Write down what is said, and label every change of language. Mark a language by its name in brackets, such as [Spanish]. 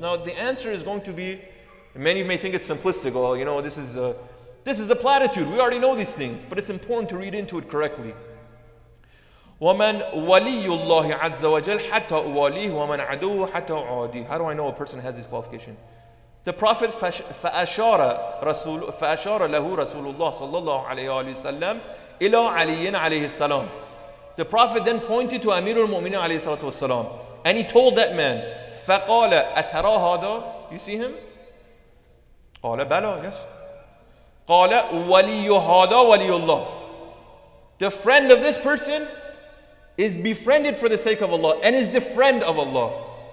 [English] Now the answer is going to be, many may think it's simplistic, well, you know, this is a platitude. We already know these things, but it's important to read into it correctly. [Arabic] وَمَنْ وَلِيُّ اللَّهِ عَزَّ وَجَلْ حَتَّى أُوَالِيهُ وَمَنْ عَدُوهُ حَتَّى أُعَادِيهُ. [English] How do I know a person has this qualification? The Prophet [Arabic] فَأَشَارَ لَهُ رَسُولُ اللَّهِ صَلَّى اللَّهُ عَلَيْهِ وَآلِهِ وَسَلَّمَ إِلَىٰ عَلِيٍّ عَلَيْهِ السَّلَامِ. [English] The Prophet then pointed to Amir al-Mu'mineen alayhi salatu wasalam, and he told that man, [Arabic] فَقَالَ أَتَرَى هَذَا. [English] You see him? [Arabic] قَالَ بَلَى. [English] Yes. [Arabic] قَالَ وَلِيُّ هَذَا وَلِيُّ اللَّهِ. [English] The friend of this person is befriended for the sake of Allah and is the friend of Allah.